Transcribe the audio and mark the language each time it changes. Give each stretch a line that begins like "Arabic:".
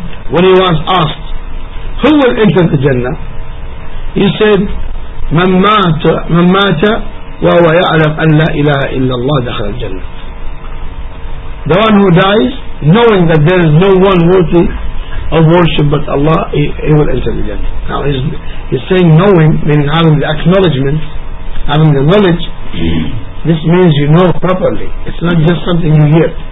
English: When he was asked, who will enter the Jannah? He said,
Arabic: من مات وهو يعلم أن لا إله إلا الله دخل الجنة.
English: The one who dies knowing that there is no one worthy of worship but Allah, he will enter the Jannah. Now he's saying knowing, meaning having the acknowledgement, having the knowledge. This means you know properly. It's not just something you hear.